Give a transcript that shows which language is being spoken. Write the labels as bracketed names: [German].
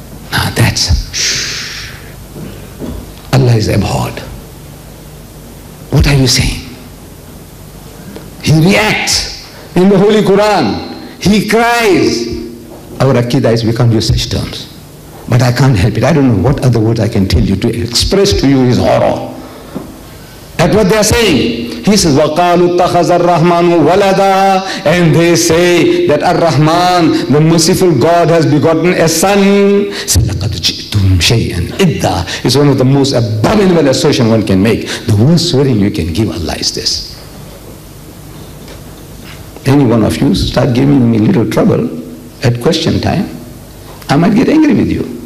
[English] Now that's, Allah is abhorred. What are you saying? He reacts in the Holy Quran. He cries. Our akida is, we can't use such terms. But I can't help it. I don't know what other words I can tell you to express to you his horror. That's what they are saying. He says, [Arabic] وَقَالُوا اتَّخَذَ الرَّحْمَانُ وَلَدًا. [English] And they say that Ar-Rahman, the merciful God, has begotten a son. [Arabic] سَلَقَدْ جِئْتُمْ شَيْئًا إِدَّا. [English] It's one of the most abominable assertions one can make. The worst swearing you can give Allah is this. Any one of you start giving me little trouble at question time, I might get angry with you.